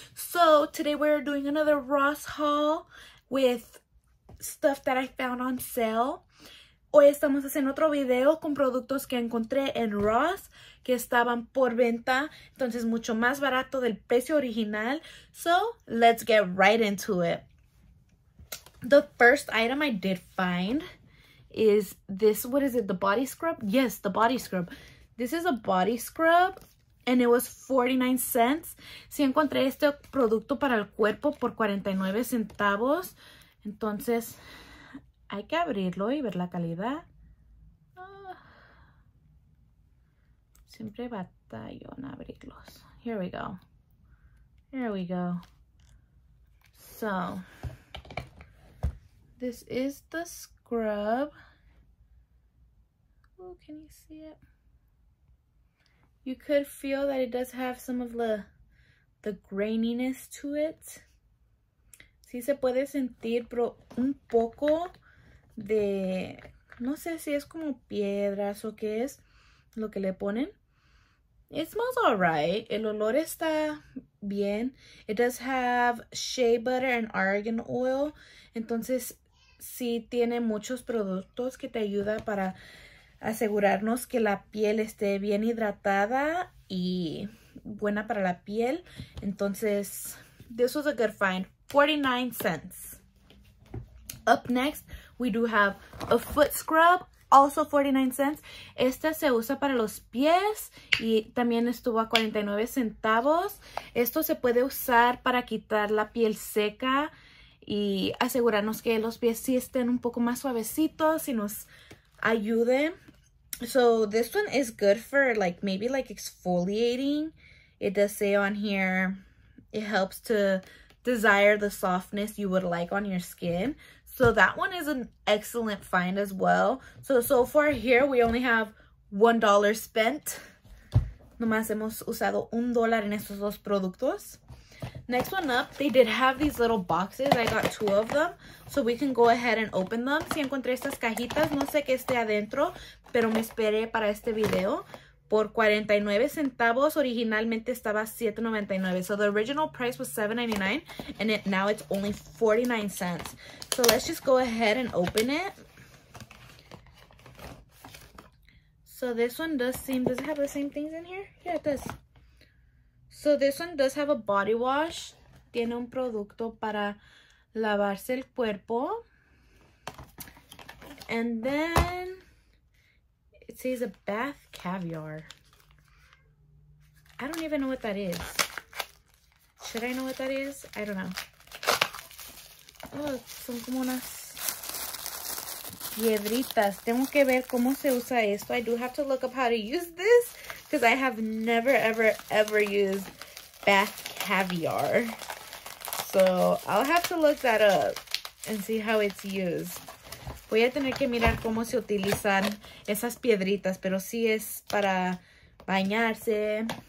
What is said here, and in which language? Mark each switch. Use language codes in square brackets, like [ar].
[en] So today we're doing another Ross haul with stuff that I found on sale. [es] Hoy estamos haciendo otro video con productos que encontré en Ross que estaban por venta, entonces mucho más barato del precio original. [en] So let's get right into it. The first item I did find is this, what is it, the body scrub? Yes, the body scrub. This is a body scrub and it was 49 cents. [es] Sí, encontré este producto para el cuerpo por 49 centavos. Entonces, hay que abrirlo y ver la calidad. Siempre batallo en abrirlos. [en] Here we go. Here we go. So, this is the scrub. Oh, can you see it? You could feel that it does have some of the graininess to it. [es] Sí se puede sentir, pero un poco de, no sé si es como piedras o qué es lo que le ponen. [en] It smells all right. [es] El olor está bien. [en] It does have shea butter and argan oil. [es] Entonces, sí tiene muchos productos que te ayuda para asegurarnos que la piel esté bien hidratada y buena para la piel. [en] Entonces, this was a good find. 49 cents. Up next, we do have a foot scrub, also 49 cents. [es] Este se usa para los pies y también estuvo a 49 centavos. Esto se puede usar para quitar la piel seca y asegurarnos que los pies sí estén un poco más suavecitos y nos ayude. [en] So this one is good for like maybe like exfoliating. It does say on here it helps to desire the softness you would like on your skin. So that one is an excellent find as well. So far here we only have $1 spent. [es] Nomás hemos usado $1 en estos dos productos. [en] Next one up, they did have these little boxes. I got two of them, so we can go ahead and open them. [es] Si encontré estas cajitas, no sé qué esté adentro, pero me esperé para este video. Por 49 centavos, originalmente estaba $7.99. [en] So the original price was $7.99, and now it's only 49 cents. So let's just go ahead and open it. So this one does it have the same things in here? Yeah, it does. So this one does have a body wash. [es] Tiene un producto para lavarse el cuerpo. [en] And then it says a bath caviar. I don't even know what that is. Should I know what that is? I don't know. Oh, [es] son como unas piedritas. Tengo que ver cómo se usa esto. [en] I do have to look up how to use this because I have never, ever, ever used bath caviar. So I'll have to look that up and see how it's used. [es] Voy a tener que mirar cómo se utilizan esas piedritas, pero sí es para bañarse.